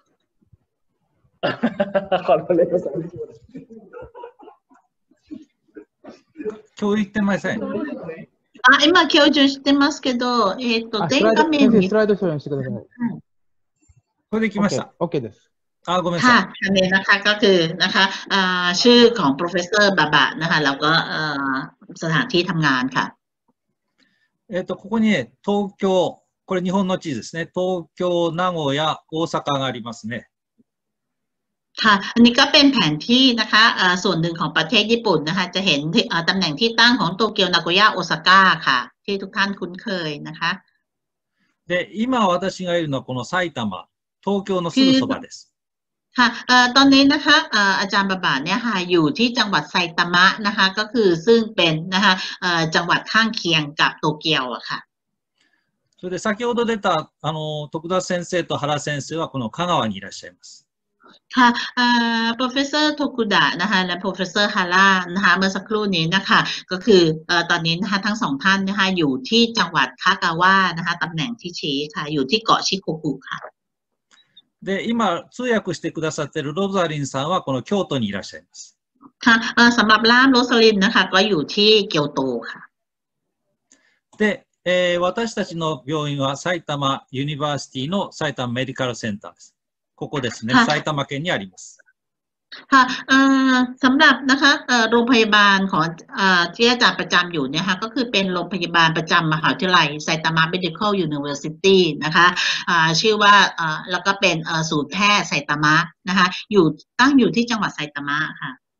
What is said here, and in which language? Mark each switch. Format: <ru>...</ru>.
<ja>有これレータルール共有してません。あ、今教授してますけど、電画面に。スライドショーにしてください。はい、これできました。オッケーです。あ、ごめんなさい。はい、ね、なんか、</ja> <th>ก็คือ</th> <ja>なんか、</ja> <th>ชื่อของプロフェッサーババなんか、แล้วก็สถานที่ทำงานค่ะ。</th> <ja>ここに、ね、東京、これ日本の地図ですね。東京、名古屋、大阪がありますね。</ja> <th>ค่ะอันนี้ก็เป็นแผนที่นะคะส่วนหนึ่งของประเทศญี่ปุ่นนะคะจะเห็นตำแหน่งที่ตั้งของโตเกียวนาโกย่าโอซาก้าค่ะที่ทุกท่านคุ้นเคยนะคะ</th> <ja>で今私がいるのはこの埼玉東京のすぐそばです</ja> <th>ค่ะตอนนี้นะคะอาจารย์บาบาเนี่ยค่ะอยู่ที่จังหวัดไซตามะนะคะก็คือซึ่งเป็นนะคะจังหวัดข้างเคียงกับโตเกียวอะค่ะ</th> <ja>それで先ほど出た徳田先生と原先生はこの香川にいらっしゃいます</ja> <th>ค่ะProfessor Tokuda นะคะและ Professor Hara นะคะเมื่อสักครู่นี้นะคะก็คือตอนนี้นะคะทั้งสองท่านนะคะอยู่ที่จังหวัดคากาวะนะคะตำแหน่งที่ชี้ค่ะอยู่ที่เกาะชิโกกุค่ะ</th> <ja>で今通訳してくださってるロザリンさんはこの京都にいらっしゃいます。</ja> <th>ค่ะสำหรับล่ามโรซาลินนะคะก็อยู่ที่เกียวโตค่ะ</th> <ja>で私たちの病院は埼玉ユニバーシティの埼玉メディカルセンターです。ここですね、埼玉県にあります。はい、</ja> <th>สำหรับนะคะ、โรงพยาบาลของ、ที่อาจารย์ประจำอยู่นะคะก็คือเป็นโรงพยาบาลประจำมหาวิทยาลัยไซตามะ Medical University นะคะ、ชื่อว่า、แล้วก็เป็นศูนย์แพทย์ไซตามะนะคะอยู่ตั้งอยู่ที่จังหวัดไซตามะค่ะ</th>